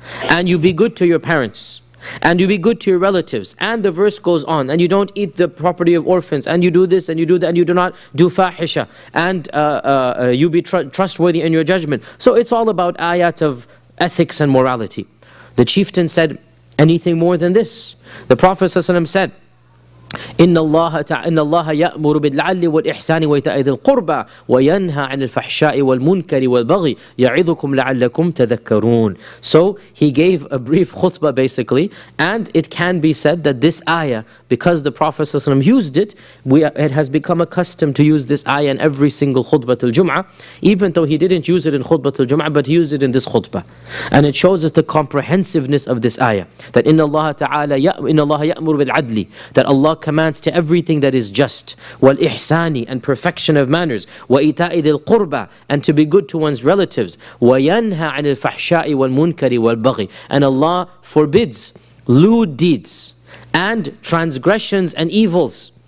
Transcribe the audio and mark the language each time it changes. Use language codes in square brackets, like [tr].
[en] And you be good to your parents, and you be good to your relatives, and the verse goes on, and you don't eat the property of orphans, and you do this, and you do that, and you do not do fahisha, and you be trustworthy in your judgment. So it's all about ayat of ethics and morality. The chieftain said, anything more than this? The Prophet ﷺ said, [ar] إن الله يأمر بالعدل والإحسان وإيتاء ذي القربى وينهى عن الفحشاء والمنكر والبغي يعظكم لعلكم تذكرون. [en] So he gave a brief khutbah basically, and it can be said that this ayah, because the Prophet ﷺ used it, it has become a custom to use this ayah in every single khutbah till Jum'ah, even though he didn't use it in khutbah till Jum'ah, but he used it in this khutbah, and it shows us the comprehensiveness of this ayah, that [ar] إن الله تعالى إن الله يأمر بالعدل, [en] that Allah commands to everything that is just, [ar] والإحساني, [en] and perfection of manners, [ar] وإيتاء ذي القربى, [en] and to be good to one's relatives, [ar] وينهى عن الفحشاء والمنكر والبغي, [en] and Allah forbids lewd deeds and transgressions and evils.